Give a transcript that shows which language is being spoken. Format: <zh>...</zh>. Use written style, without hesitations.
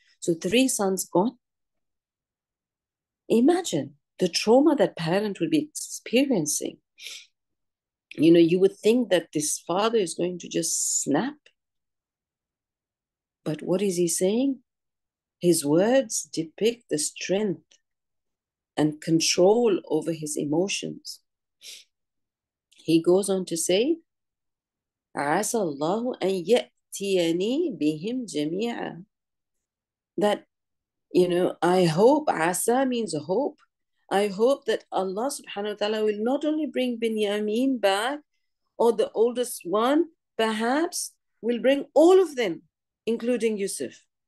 <en>So three sons gone. Imagine the trauma that parent would be experiencing. You would think that this father is going to just snap. But what is he saying? His words depict the strength and control over his emotions. He goes on to say,</en> <ar>عَسَى اللَّهُ أَن يَأْتِيَنِي بِهِمْ جَمِيعًا.</ar> <en>That, I hope, عَسَى means hope. I hope that Allah subhanahu wa ta'ala will not only bring Binyamin back, or the oldest one, perhaps will bring all of them, including Yusuf.</en>